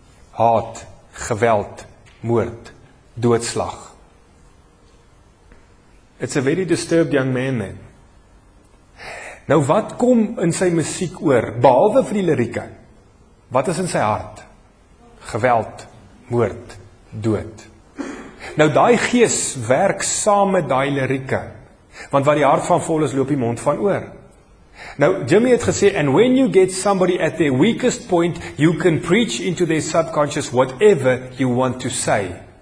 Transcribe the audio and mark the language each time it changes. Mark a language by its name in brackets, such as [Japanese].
[Afrikaans] Haat, geweld, moord, doodslag. [English] It's a very disturbed young man then. [Afrikaans] Nou wat kom in sy musiek oor, behalwe vir die lirieke? Wat is in sy hart? Geweld, moord, dood. Nou daai gees werk saam met daai lirieke. Want wat die hart van vol is, loop die mond van oor. Nou Jimmy het gesê, [English] and when you get somebody at their weakest point, you can preach into their subconscious whatever you want to say.